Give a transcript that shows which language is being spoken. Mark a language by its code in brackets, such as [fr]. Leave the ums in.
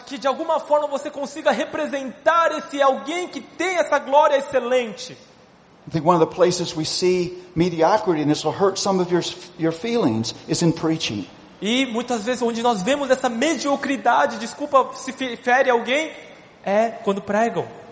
[pt] que de alguma forma você consiga representar esse alguém que tem essa glória excelente. [en] I think one of the places we see mediocrity and this will hurt some of your your feelings is in preaching. [pt] E muitas vezes onde nós vemos essa mediocridade, desculpa se fere alguém, é quando pregam.